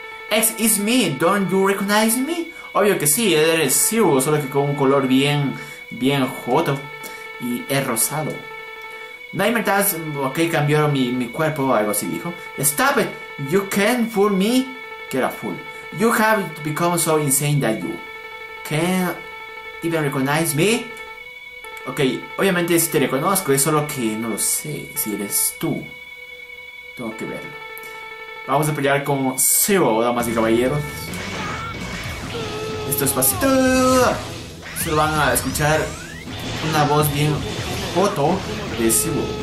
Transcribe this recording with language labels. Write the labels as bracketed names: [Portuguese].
[English] X, it's me, don't you recognize me? [Spanish] Obvio que sí, eres Zero, solo que con un color bien, bien joto y es rosado. Nightmare Taz, ok, cambiaron mi cuerpo, algo así dijo. [English] Stop it, you can't fool me. [Spanish] Que era fool. [English] You have become so insane that you can't even recognize me. [Spanish] Ok, obviamente si te reconozco, es solo que no lo sé, si eres tú. Tengo que verlo. Vamos a pelear con Zero, damas y caballeros. Esto es fácil. Solo van a escuchar una voz bien foto de Zero.